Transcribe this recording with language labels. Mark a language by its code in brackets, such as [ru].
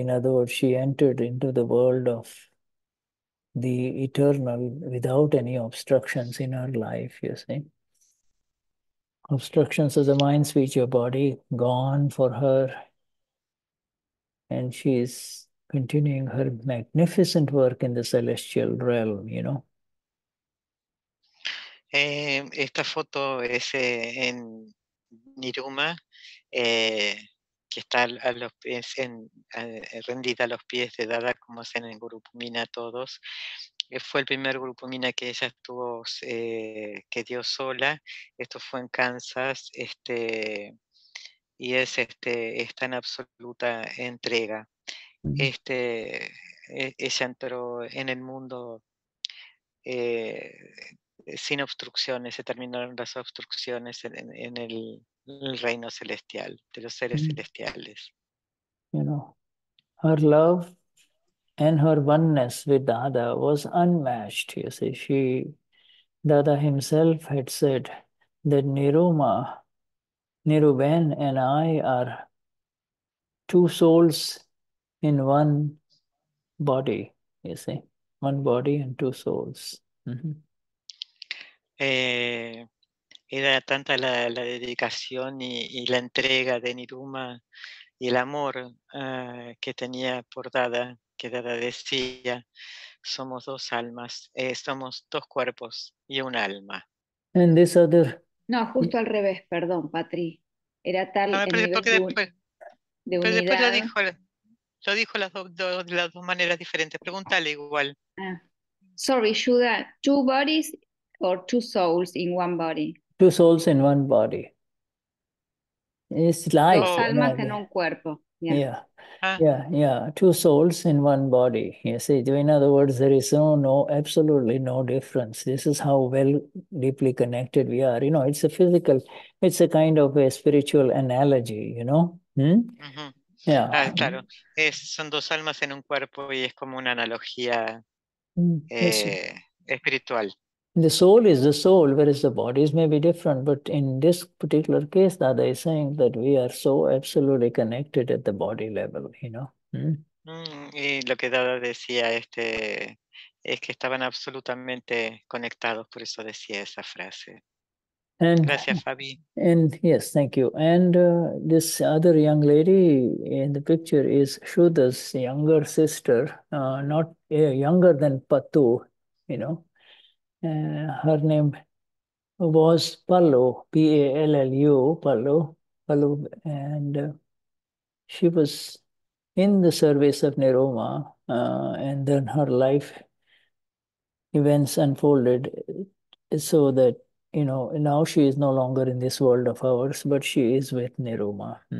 [en] In other words, she entered into the world of the eternal without any obstructions in her life, you see. Obstructions of the mind, speech, your body, gone for her. And she's continuing her magnificent work in the celestial realm, you know. [es] Esta foto es en Niruma, que está a los pies, rendida a los pies de Dada, como hacen en Grupo Mina todos. Fue el primer Grupo Mina que ella estuvo, que dio sola. Esto fue en Kansas, y es está en absoluta entrega. Ella entró en el mundo sin obstrucciones, se terminaron las obstrucciones en el reino celestial, de los seres celestiales. [en] You know, her love and her oneness with Dada was unmatched, you see. Dada himself had said that Niruma, Niruben and I are two souls in one body, you see. One body and two souls. [es] Era tanta la dedicación y la entrega de Niruma y el amor que tenía por Dada, que Dada decía, somos dos almas, somos dos cuerpos y un alma. [en] And this other... [es] No, justo al revés, perdón, Patri. Era tal no, pero, el nivel de unidad... Pero después lo dijo las dos maneras diferentes, pregúntale igual. [en] Sorry, Shuddha, two bodies... Or two souls in one body. Two souls in one body. It's life. [es] Dos almas en un cuerpo. [en] Yeah. Two souls in one body. You see, in other words, there is no, absolutely no difference. This is how well deeply connected we are. You know, it's a physical, it's a kind of a spiritual analogy, you know? Mm-hmm. Yeah. [es] Ah, claro. Son dos almas en un cuerpo y es como una analogía espiritual. [en] The soul is the soul, whereas the bodies may be different. But in this particular case, Dada is saying that we are so absolutely connected at the body level, you know. [es] Y lo que Dada decía es que estaban absolutamente conectados, por eso decía esa frase. [en] And, [es] gracias, Fabi. [en] And yes, thank you. And this other young lady in the picture is Shuddha's younger sister, not younger than Patu, you know. Her name was Pallu, P-A-L-L-U, Pallu, Pallu, and she was in the service of Niruma, and then her life events unfolded so that, you know, now she is no longer in this world of ours, but she is with Niruma.